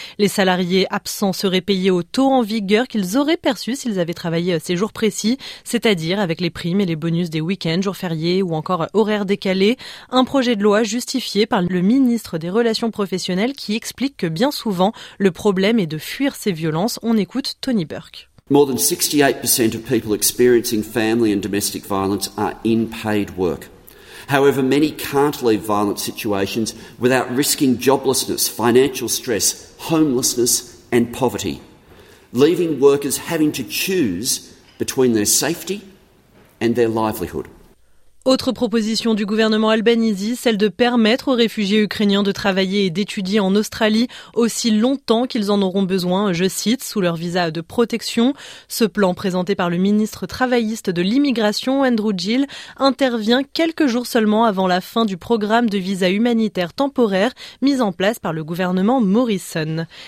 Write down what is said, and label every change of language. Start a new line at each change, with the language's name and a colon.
French: Les salariés absents seraient payés au taux en vigueur qu'ils auraient perçu s'ils avaient travaillé ces jours précis, c'est-à-dire avec les primes et les bonus des week-ends, jours fériés ou encore horaires décalés. Un projet de loi justifié par le ministre des Relations professionnelles qui explique que bien souvent, le problème est de fuir ces violences. On écoute Tony Burke.
English: More than 68% of people experiencing family and domestic violence are in paid work. However, many can't leave violent situations without risking joblessness, financial stress, homelessness and poverty, leaving workers having to choose between their safety and their livelihood.
French: Autre proposition du gouvernement albanais, celle de permettre aux réfugiés ukrainiens de travailler et d'étudier en Australie aussi longtemps qu'ils en auront besoin, je cite, sous leur visa de protection. Ce plan présenté par le ministre travailliste de l'immigration, Andrew Gill, intervient quelques jours seulement avant la fin du programme de visa humanitaire temporaire mis en place par le gouvernement Morrison.